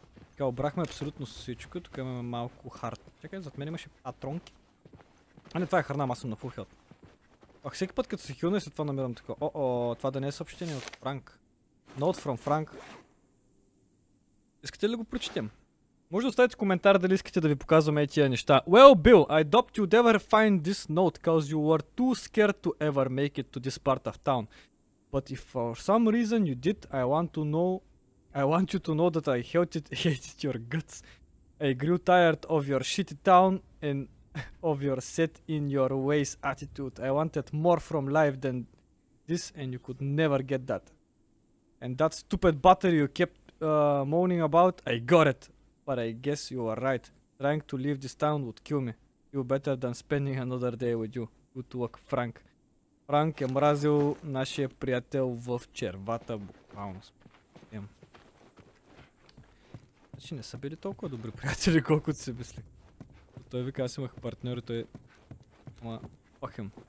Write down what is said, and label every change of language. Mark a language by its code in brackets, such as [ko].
[bg] Така, обрахме абсолютно всичко, тук имаме малко хард. Чакай, зад мен имаше патронки. А не, това е храна, аз съм на фул хелт. Ах, всеки път като се хилна и след това намирам така. О, това да не е съобщение от Франк. [en] Note from Frank. [bg] Искате ли да го прочетем? Може да оставите коментар дали искате да ви показваме тия неща. [en] Well, Bill, I doubt you'd ever find this note, cause you were too scared to ever make it to this part of town. But if for some reason you did, I want you to know that I hated your guts. I grew tired of your shitty town and of your set in your ways attitude. I wanted more from life than this and you could never get that. And that stupid butter you kept moaning about, I got it. But I guess you are right. Trying to leave this town would kill me. You better than spending another day with you. Good luck, Frank. [bg] Frank е мразил нашия приятел в червата, буквално. Значи не са били толкова добри приятели, колкото си мисли. Той вика, аз имах партньор и той... Ама, [en] fuck him.